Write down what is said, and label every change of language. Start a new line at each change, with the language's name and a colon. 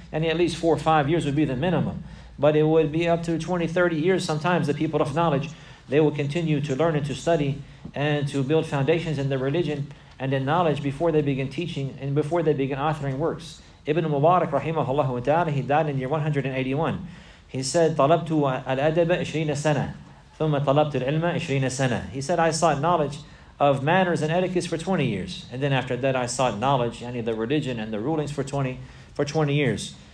English: And at least 4 or 5 years would be the minimum. But it would be up to 20, 30 years sometimes. The people of knowledge, they will continue to learn and to study and to build foundations in the religion and in knowledge before they begin teaching and before they begin authoring works. Ibn Mubarak, rahimahullah ta'ala, he died in year 181. He said,
Arabic: طَلَبْتُ الْأَدَبَ 20 سَنَةً ثُمَّ طَلَبْتُ الْعِلْمَ 20 سَنَةً.
English: He said, I sought knowledge of manners and etiquettes for 20 years. And then after that, I sought knowledge, yani the religion and the rulings for 20 years.